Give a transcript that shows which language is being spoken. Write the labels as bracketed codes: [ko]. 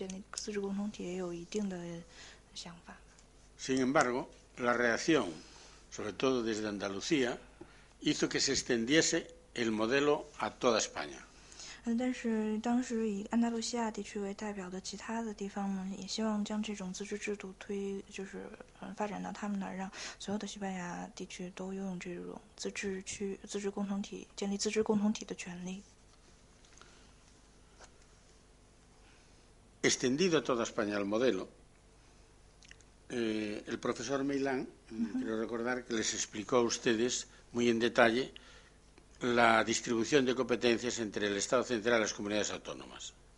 [zh] 然后当时的这部宪法呢，是非常明晰的，就是希望能够在加泰罗尼亚和巴斯克地区建立这种自治的共同体，但是同时对加利西亚的这个，当然对他这个建立自治共同体也有一定的想法。 [es] Sin embargo, la reacción, sobre todo desde Andalucía, hizo que se extendiese el modelo a toda España. [zh] 但是当时以安达卢西亚地区为代表的其他的地方呢，也希望将这种自治制度推，就是发展到他们那儿，让所有的西班牙地区都拥有这种自治区、自治共同体、建立自治共同体的权利。 [es] Extendido a toda España el modelo. El profesor Meilán, quiero recordar que les explicó a ustedes muy en detalle la distribución de competencias entre el Estado central y las comunidades autónomas.